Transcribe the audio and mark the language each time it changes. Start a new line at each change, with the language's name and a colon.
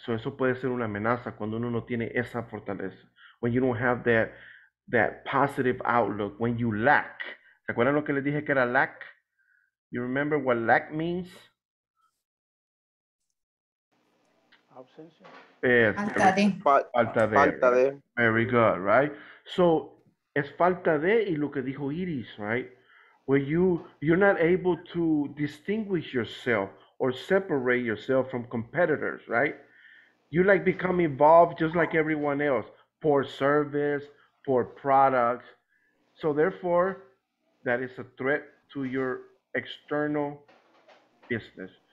Spanish: So eso puede ser una amenaza cuando uno no tiene esa fortaleza.
English: When you don't have that positive outlook, when you lack.
Spanish: ¿Se acuerdan lo que les dije que era lack?
English: You remember what lack means? Absence.
Spanish: Falta de.
English: Very good, right?
Spanish: So, es falta de, y lo que dijo Iris, right?
English: Where you're not able to distinguish yourself or separate yourself from competitors, right? You like become involved just like everyone else. Poor service, poor products. So, therefore, that is a threat to your external business.